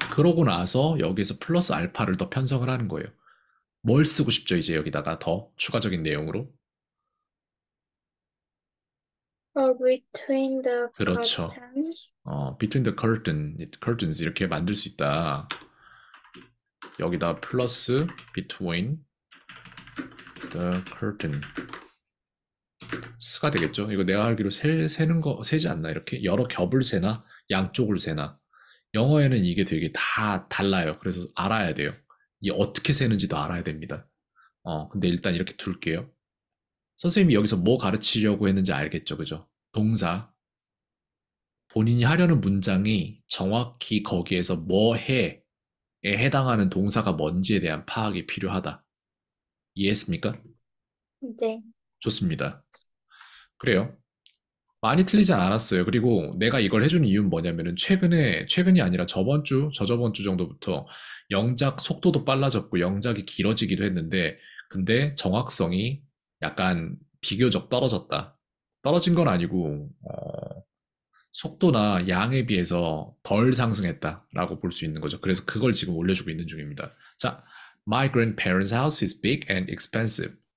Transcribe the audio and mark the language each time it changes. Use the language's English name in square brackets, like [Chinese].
[Korean] 그러고 나서 여기서 플러스 알파를 더 편성을 하는 거예요. 뭘 쓰고 싶죠, 이제 여기다가 더 추가적인 내용으로? [English] Between the [Korean] 그렇죠. [English] curtains. Between the curtains [Korean] 이렇게 만들 수 있다. 여기다 플러스 [English] between the curtain. [Korean] 스가 되겠죠? 이거 내가 알기로 세는 거, 세지 않나? 이렇게 여러 겹을 세나? 양쪽을 세나? 영어에는 이게 되게 다 달라요. 그래서 알아야 돼요. 이게 어떻게 세는지도 알아야 됩니다. 근데 일단 이렇게 둘게요. 선생님이 여기서 뭐 가르치려고 했는지 알겠죠? 그죠? 동사. 본인이 하려는 문장이 정확히 거기에서 뭐 해에 해당하는 동사가 뭔지에 대한 파악이 필요하다. 이해했습니까? 네. 좋습니다. 그래요. 많이 틀리지 않았어요. 그리고 내가 이걸 해준 이유는 뭐냐면은 최근이 아니라 저번 주, 저저번 주 정도부터 영작 속도도 빨라졌고 영작이 길어지기도 했는데, 근데 정확성이 약간 비교적 떨어졌다. 떨어진 건 아니고, 속도나 양에 비해서 덜 상승했다라고 볼수 있는 거죠. 그래서 그걸 지금 올려주고 있는 중입니다. 자, [English] My grandparents' house is big and expensive.